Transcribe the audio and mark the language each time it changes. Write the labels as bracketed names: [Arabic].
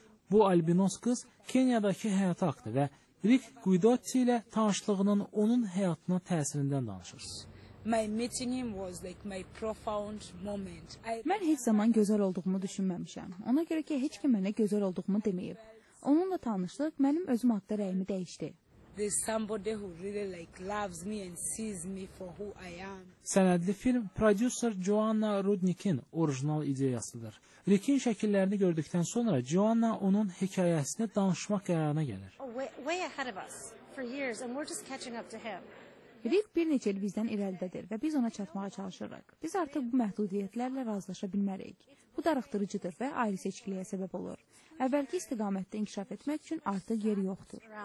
[Azerbaijani] Bu albinos qız Kenyadakı həyatı haqqdır və Rick Guidotti ilə tanışlığının onun həyatına təsirindən danışır. Mən heç zaman gözəl olduğumu düşünməmişəm. Ona görə ki, heç kim mənə gözəl olduğumu deməyib. Onunla tanışlıq mənim özüm haqqda rəyimi dəyişdi. [English] There's somebody who really like loves me and sees me for who I am. [Azerbaijani] Sənədli film prodüser Joanna Rudnick'in orijinal ideyasıdır. Rick'in şəkillərini gördükdən sonra Joanna onun hekayəsini danışmaq qərarına gəlir. [English] Way ahead of us for years and we're just catching up to him. [Azerbaijani] Rick bir neçə il bizdən irəlidədir və biz ona çatmağa çalışırıq. Biz artıq bu məhdudiyyətlərlə razılaşa bilmərik. Bu darıxdırıcıdır və ayrı seçkiliyə səbəb olur. Əvvəlki istiqamətdə inkişaf etmək üçün artıq yer yoxdur.